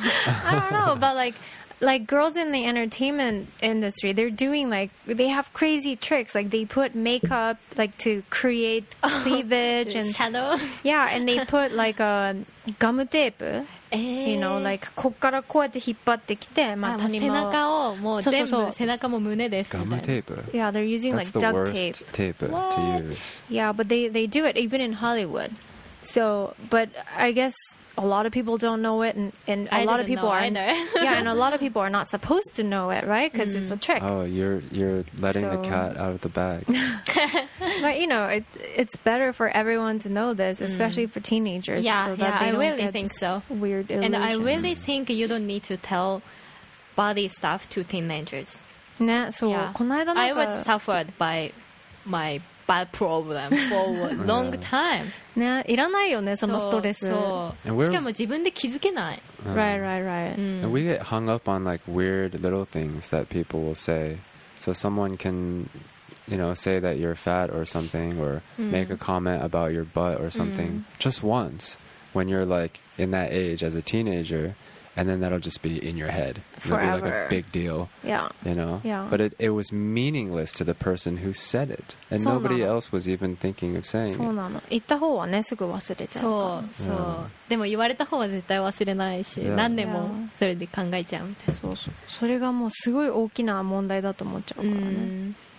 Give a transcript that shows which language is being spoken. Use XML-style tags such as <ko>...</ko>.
<en>I don't know, but like... Like girls in the entertainment industry, they're doing like, they have crazy tricks. Like they put makeup like to create cleavage and shadow. Yeah, and they put like a gum tape. You know, like</en> <ja>こっからこうやって引っ張ってきて、まあ、背中をもう全部そうそうそう背中も胸です。ガムテープ。</ja> <en>Yeah, they're using That's like duct tape. That's the worst tape to use. Yeah, but they do it even in Hollywood. So, but I guess. A lot of people don't know it, and a lot of people are. Yeah, and a lot of people are not supposed to know it, right? Because it's a trick. Oh, you're letting the cat out of the bag. But you know, it's better for everyone to know this, especially for teenagers. Yeah, so that I really think so. Weird illusion. And I really think you don't need to tell body stuff to teenagers.</en> <ja>ね、そう。この間なんか、</ja> <en>I was suffered by my. Bad problem for a long time.</en> <ja>ね、いらないよね、そのストレス。そう。しかも自分で気づけない。</ja> <en>Right, right, right. And we get hung up on like weird little things that people will say. So someone can, you know, say that you're fat or something, or make a comment about your butt or something, just once when you're like in that age as a teenager, and then that'll just be in your head. Forever. It'll be like a big deal. Yeah. You know? Yeah. But it was meaningless to the person who said it. And nobody else was even thinking of saying it.</en> <ja>そうなの。言った方はね、すぐ忘れちゃう。そう、そう。でも言われた方は絶対忘れないし、何年もそれで考えちゃうみたいな。そうそう。それがもうすごい大きな問題だと思っちゃうからね。</ja>